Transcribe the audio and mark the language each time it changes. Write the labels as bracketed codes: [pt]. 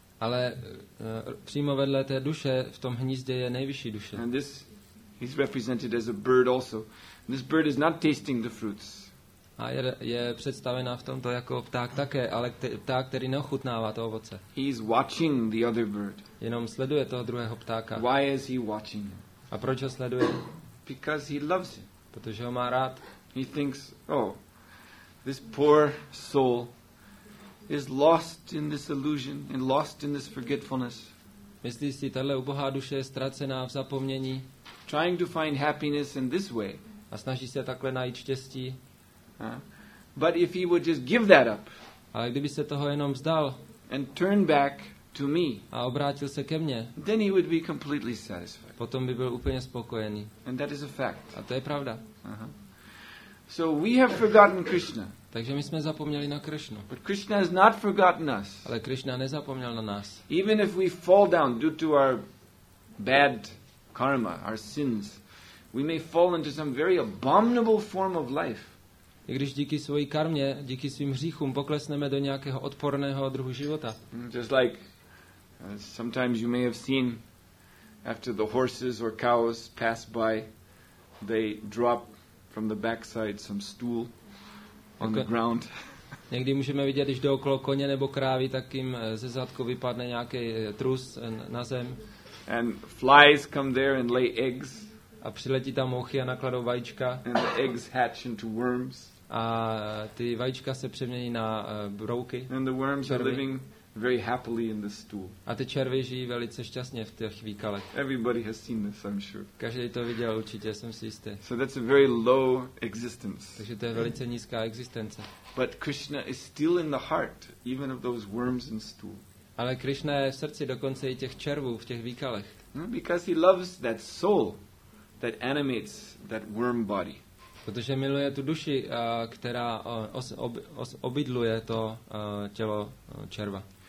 [cs] Ale přímo vedle té duše v tom hnízdě je nejvyšší duše. [en] And this is represented as a bird also. And this bird is not tasting the fruits. [cs] A je představená v tomto jako pták také, ale pták, který neochutnává to ovoce. [en] He is watching the other bird. [cs] Jenom sleduje toho druhého ptáka. [en] Why is he watching him? [cs] A proč ho sleduje? [en] Because he loves him. [cs] Protože ho má rád. [en] He thinks, oh, this poor soul is lost in this illusion and lost in this forgetfulness. [cs] Myslí si, tahle ubohá duše je ztracená v zapomnění. [en] Trying to find happiness in this way. [cs] A snaží se takhle najít štěstí. [en] But if he would just give that up. [cs] Ale kdyby se toho jenom vzdal. [en] And turn back to me. [cs] A obrátil se ke mně. [en] Then he would be completely satisfied. [cs] Potom by byl úplně spokojený. [en] And that is a fact. [cs] A to je pravda. [en] So we have forgotten Krishna. [cs] Takže my jsme zapomněli na Krishnu. [en] But Krishna has not forgotten us. [cs] Ale Krishna nezapomněl na nás. [en] Even if we fall down due to our bad karma, our sins, we may fall into some very abominable form of life. [cs] I když díky své karmě, díky svým hříchům poklesneme do nějakého odporného druhu života. [en] Just like sometimes you may have seen after the horses or cows pass by, they drop from the backside some stool on the ground. [cs] Někdy můžeme vidět, když jde okolo koně nebo krávy, tak jim ze zadku vypadne nějaký trus na zem. [en] And flies come there and lay eggs. [cs] A přiletí tam mouchy a nakladou vajíčka. [en] And the eggs hatch into worms. [cs] A ty vajíčka se přemění na brouky. [en] And the worms [cs] červy. [en] Are living very happily in the stool. [cs] A ty červy žijí velice šťastně v těch výkalech. [en] Everybody has seen this, I'm sure. [cs] Každý to viděl určitě, jsem si jistý. [en] So that's a very low existence. [cs] Takže to je velice nízká existence. [en] But Krishna is still in the heart even of those worms in stool. [cs] Ale Krishna je v srdci dokonce i těch červů v těch výkalech. [en] Because he loves that soul that animates that worm body. [cs] Protože miluje tu duši, která obydluje to tělo červa.